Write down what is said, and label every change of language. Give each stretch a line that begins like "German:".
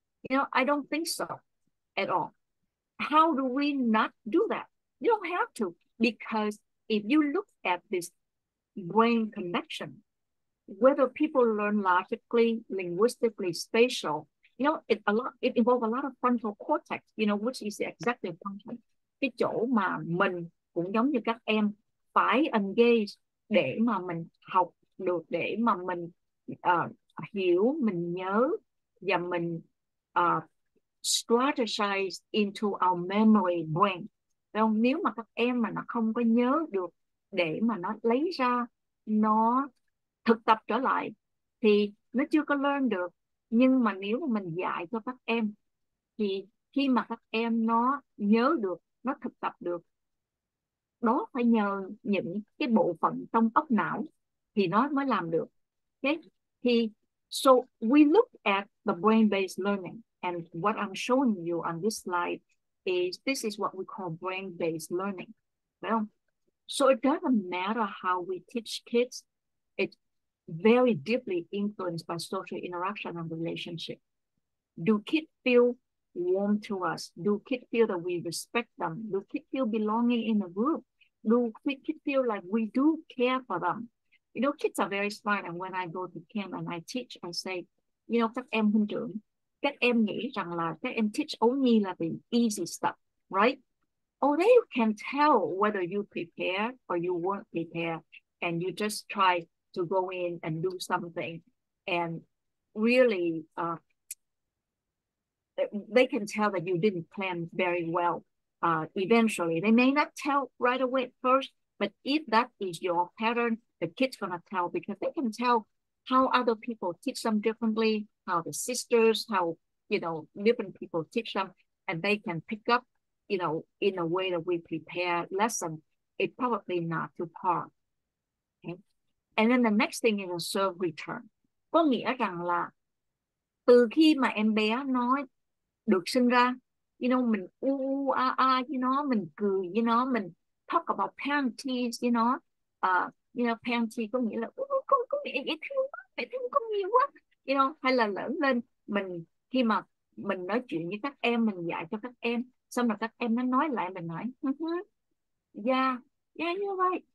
English: You know, I don't think so at all. How do we not do that? You don't have to, because if you look at this brain connection, whether people learn logically, linguistically, spatial, you know, it involves a lot of frontal cortex, you know, which is the executive function.
Vietnamese: Cái chỗ mà mình cũng giống như các em phải engage để mà mình học được, để mà mình hiểu, mình nhớ và mình
English: strategize into our memory brain.
Vietnamese: Không? Nếu mà các em mà nó không có nhớ được để mà nó lấy ra, nó thực tập trở lại thì nó chưa có learn được. Nhưng mà nếu mà mình dạy cho các em thì khi mà các em nó nhớ được, nó thực tập được, đó phải nhờ những cái bộ phận trong óc não thì nó mới làm được.
English: Okay? Thì so we look at the brain-based learning, and what I'm showing you on this slide is this is what we call brain-based learning. Well, So it doesn't matter how we teach kids, it's very deeply influenced by social interaction and relationship. Do kids feel warm to us? Do kids feel that we respect them? Do kids feel belonging in a group? Do kids feel like we do care for them? You know, kids are very smart, and when I go to camp and I teach, I say, you know,
Vietnamese: các em không được, các em nghĩ rằng là các em
English: teach only là the easy stuff, right? Oh, they can tell whether you prepare or you weren't prepared, and you just try to go in and do something, and really, they can tell that you didn't plan very well. Eventually, they may not tell right away at first, but if that is your pattern, the kids gonna tell because they can tell how other people teach them differently, how the sisters, how you know different people teach them, and they can pick up, you know, in a way that we prepare lesson, it's probably not too far. Okay. And then the next thing is a serve return.
Vietnamese: Có nghĩa rằng là từ khi mà em bé nói được sinh ra, you know, mình you know, mình cười, you know, mình
English: talk about panties,
Vietnamese: you know, panty có nghĩa là con mẹ dễ thương quá, mẹ thương con nhiều quá, you know, hay là lớn lên, mình khi mà mình nói chuyện với các em, mình dạy cho các em, xong rồi các em nó nói lại, mình nói,
English: yeah, you're right.